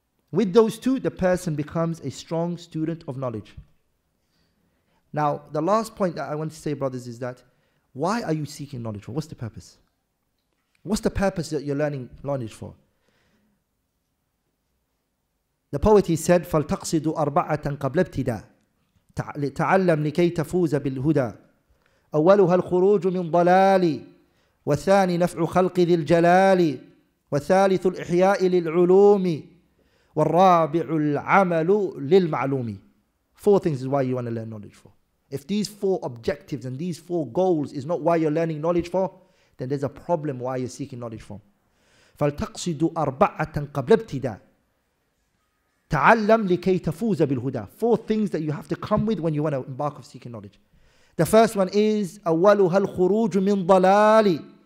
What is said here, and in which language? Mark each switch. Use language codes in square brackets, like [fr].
[en] With those two, the person becomes a strong student of knowledge. Now, the last point that I want to say, brothers, is that why are you seeking knowledge for? What's the purpose? What's the purpose that you're learning knowledge for? The poet, he said, [ar] فَلْتَقْصِدُ أَرْبَعَةً قَبْلَ ابْتِدَى لِتَعَلَّمْ لِكَيْ تَفُوزَ بِالْهُدَى أَوَّلُهَا الْخُرُوجُ مِنْ ضَلَالِ وَثَانِي نَفْعُ خَلْقِ ذِي الْجَلَالِ وَثَالِثُ الْإِحْيَاءِ لِلْعُلُومِ وَالرَّابِعُ الْعَمَلُ لِلْمَعْلُومِ. [en] Four things is why you want to learn knowledge for. If these four objectives and these four goals is not why you're learning knowledge for, then there's a problem why you're seeking knowledge for. [ar] فَلْتَقْصِدُ أَرْبَعَةً قَبْلَ ابْتِدَى تَعَلَّمْ لِكَيْ تَفُوزَ بِالْهُدَى. [en] Four things that you have to come with when you want to embark on seeking knowledge. The first one is [ar] أَوَّلُهَا الْخُرُوجُ مِنْ ضَلَالِ.